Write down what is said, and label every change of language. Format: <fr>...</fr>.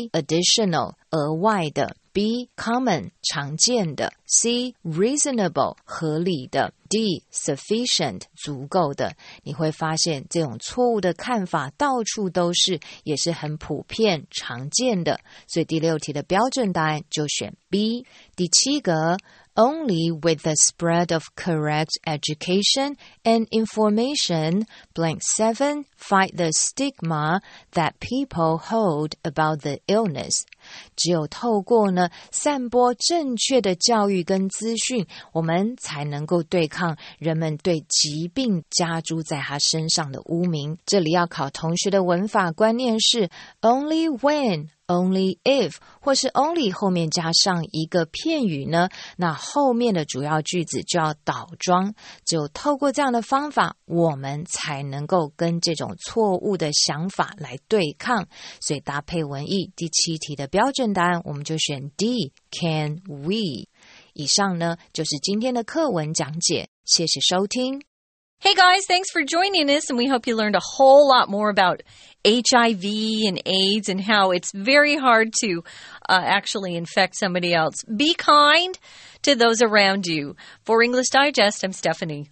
<en>additional</en> <zh>额外的</zh> <en>，B. common</en> <zh>常见的</zh> <en>，C. reasonable</en> <zh>合理的</zh> <en>，D. sufficient</en> <zh>足够的。你会发现这种错误的看法到处都是，也是很普遍常见的。所以第六题的标准答案就选 B。第七个。</zh> <en>Only with the spread of correct education and information, blank seven, fight the stigma that people hold about the illness.</en> <zh>只有透过呢散播正确的教育跟资讯，我们才能够对抗人们对疾病加诸在他身上的污名。这里要考同学的文法观念是 only when。 Only if 或是 only 后面加上一个片语呢，那后面的主要句子就要倒装，就透过这样的方法，我们才能够跟这种错误的想法来对抗。所以搭配文意，第七题的标准答案我们就选 D,</zh> <en>can we?</en> <zh>以上呢就是今天的课文讲解，谢谢收听。</zh> <en>Hey guys, thanks for joining us, and we hope you learned a whole lot more about HIV and AIDS and how it's very hard to actually infect somebody else. Be kind to those around you. For English Digest, I'm Stephanie.</en>